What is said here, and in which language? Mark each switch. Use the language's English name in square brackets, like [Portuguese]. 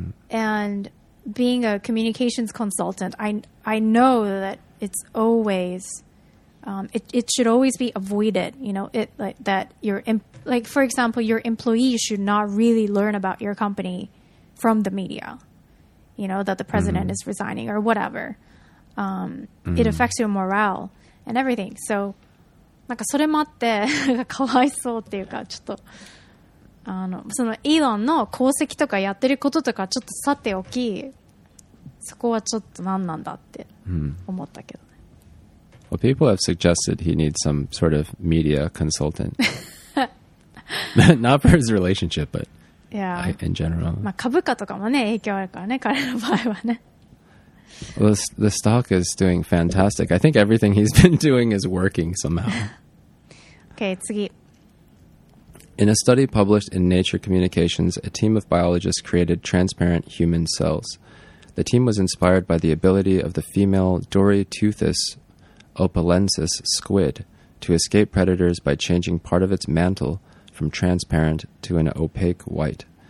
[English] And being a communications consultant, I know that it's always, it should always be avoided, you know, for example, your employees should not really learn about your company from the media, you know, that the president is resigning or whatever. It affects your morale and everything. [Japanese] So, なんかそれもあって、かわいそうっていうか、ちょっと。そのイーロンの功績とかやってることとかちょっとさておき、そこはちょっと何なんだって思ったけどね。 [English] Well, people have suggested he needs some sort of media consultant. Not for his relationship, but in general. [Japanese] まあ株価とかもね、影響あるからね、彼の場合はね。 [English] Well, the stock is doing fantastic. I think everything he's been doing is working somehow. [Japanese] Okay, 次。 [English] In a study published in Nature Communications, a team of biologists created transparent human cells. The team was inspired by the ability of the female Dorotheus opalensis squid to escape predators by changing part of its mantle from transparent to an opaque white.